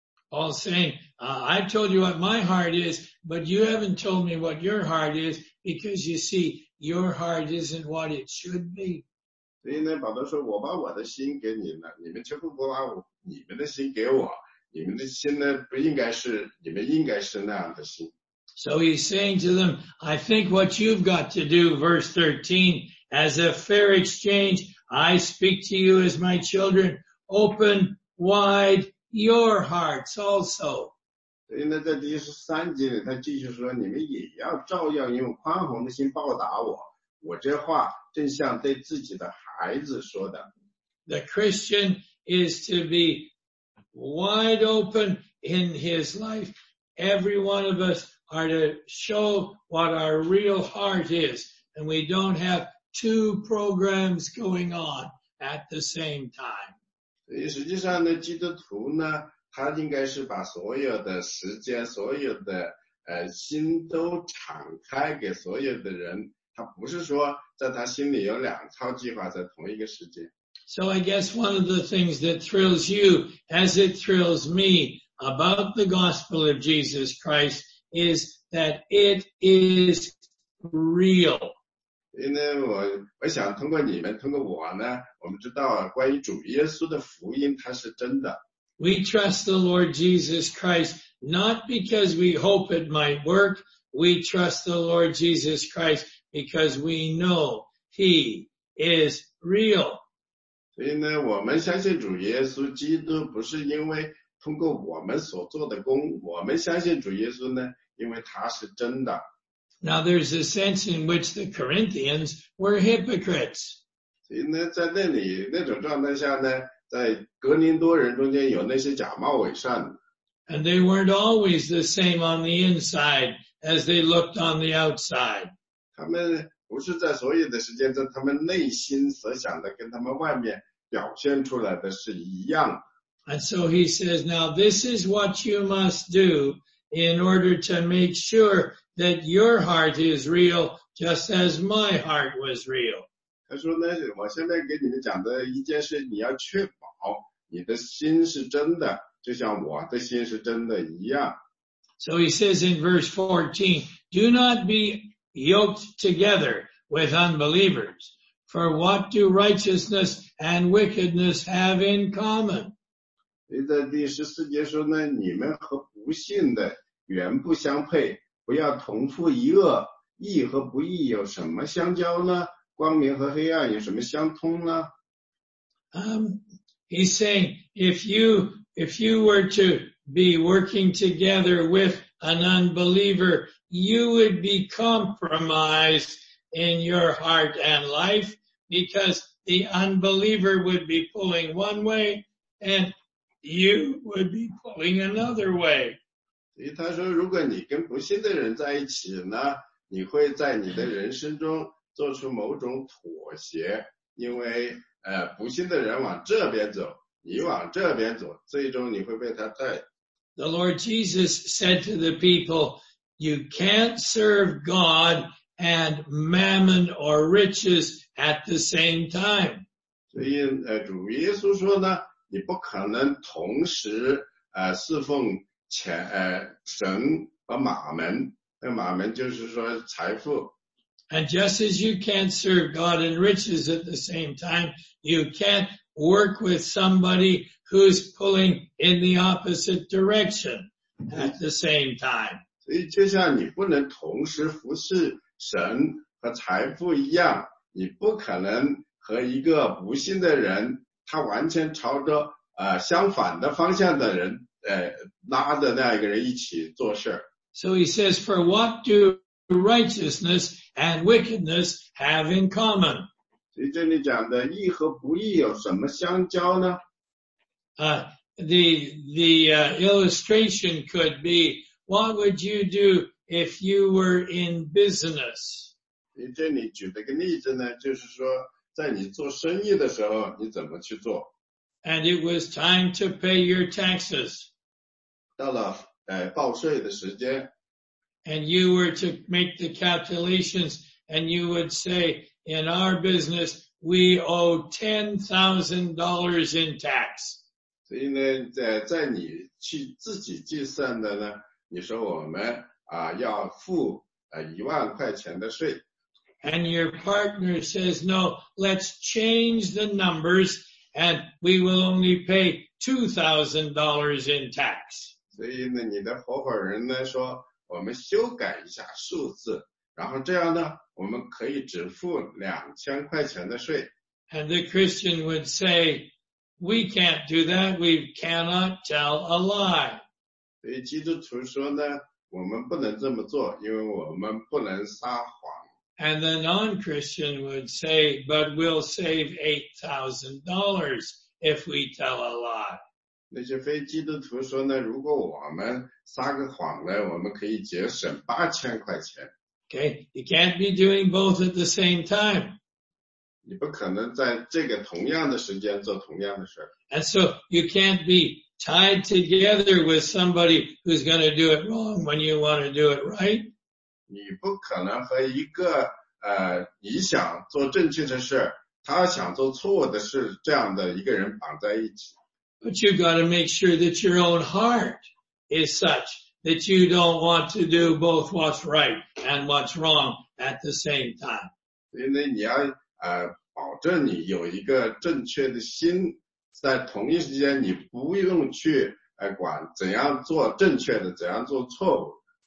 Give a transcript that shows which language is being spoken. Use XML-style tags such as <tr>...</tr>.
<en>Paul's saying, I've told you what my heart is, but you haven't told me what your heart is, because you see, your heart isn't what it should be.</en> <zh>所以呢，保罗说，我把我的心给你们，你们却不把我你们的心给我，你们的心呢，不应该是你们应该是那样的心。</zh> <en>So he's saying to them, I think what you've got to do, verse 13, as a fair exchange, I speak to you as my children, open wide your hearts also.</en> <zh>所以呢，在第十三节里，他继续说，你们也要照样用宽宏的心报答我，我这话正像对自己的孩子说的。</zh> <en>The Christian is to be wide open in his life. Every one of us are to show what our real heart is, and we don't have two programs going on at the same time.</en> <zh>所以实际上呢，基督徒呢，他应该是把所有的时间、所有的心都敞开给所有的人。他不是说在他心里有两套计划在同一个时间。</zh> <en>So I guess one of the things that thrills you as it thrills me about the gospel of Jesus Christ is that it is real.</en> <zh>因为我想通过你们通过我呢，我们知道关于主耶稣的福音它是真的。</zh> <en>We trust the Lord Jesus Christ not because we hope it might work. We trust the Lord Jesus Christ because we know he is real.</en> <zh>所以呢，我们相信主耶稣基督不是因为通过我们所做的功，我们相信主耶稣呢，因为他是真的。</zh> <en>Now there's a sense in which the Corinthians were hypocrites.</en> <zh>所以呢，在那里那种状态下呢，在哥林多人中间有那些假冒伪善。</zh> <en>And they weren't always the same on the inside as they looked on the outside.</en> <zh>他们不是在所有的时间中，他们内心所想的跟他们外面表现出来的是一样。</zh> <en>And so he says, now this is what you must do in order to make sure that your heart is real, just as my heart was real.</en> <zh>他说呢，我现在给你们讲的一件事，你要确保你的心是真的，就像我的心是真的一样。</zh> <en>So he says in verse 14, do not be yoked together with unbelievers. For what do righteousness and wickedness have in common?</en> <zh>在第十四节说呢，你们和不信的原不相配，不要同负一轭。义和不义有什么相交呢？光明和黑暗有什么相通呢？</zh> <en>He's saying, if you were to be working together with an unbeliever,you would be compromised in your heart and life because the unbeliever would be pulling one way and you would be pulling another way.</en> <zh>所以他说，如果你跟不信的人在一起呢，你会在你的人生中做出某种妥协，因为不信的人往这边走，你往这边走，最终你会被他带。</zh> <en>The Lord Jesus said to the people,You can't serve God and mammon or riches at the same time.</en> <zh>所以主耶稣说呢，你不可能同时侍奉钱神和马门，那马门就是说财富。</zh> <en>And just as you can't serve God and riches at the same time, you can't work with somebody who's pulling in the opposite direction at the same time.</en> <zh>所以就像你不能同时服侍神和财富一样，你不可能和一个不信的人，他完全朝着相反的方向的人拉着那一个人一起做事。</zh> <en>So he says, for what do righteousness and wickedness have in common?</en> <zh>所以这里讲的义和不义有什么相交呢？</zh> <en>the illustration could be, what would you do if you were in business?</en> <zh>这里举了个例子呢，就是说在你做生意的时候你怎么去做。</zh> <en>And it was time to pay your taxes.</en> <zh>到了报税的时间。</zh> <en>And you were to make the calculations and you would say, in our business, we owe $10,000 in tax.</en> <zh>所以呢 在你去自己计算的呢，你说我们要付10,000块钱的税。</zh> <en>And your partner says, no, let's change the numbers and we will only pay $2,000 in tax.</en> <zh>所以呢你的合伙人呢说我们修改一下数字，然后这样呢我们可以只付2,000块钱的税。</zh> <en>And the Christian would say, we can't do that, we cannot tell a lie.</en> <zh>所以基督徒说呢，我们不能这么做，因为我们不能撒谎。</zh> <en>And the non-Christian would say, but we'll save $8,000 if we tell a lie.</en> <zh>那些非基督徒说呢，如果我们撒个谎呢，我们可以节省8,000块钱。</zh> <en>Okay, you can't be doing both at the same time.</en> <zh>你不可能在这个同样的时间做同样的事。</zh> <en>And so you can't be tied together with somebody who's going to do it wrong when you want to do it right.</en> <zh>你不可能和一个你想做正确的事，他想做错误的事，这样的一个人绑在一起。</zh> <en>But you got to make sure that your own heart is such that you don't want to do both what's right and what's wrong at the same time.</en> <zh>所以你要保证你有一个正确的心，在同一时间你不用去管怎样做正确的，怎样做错误。</zh>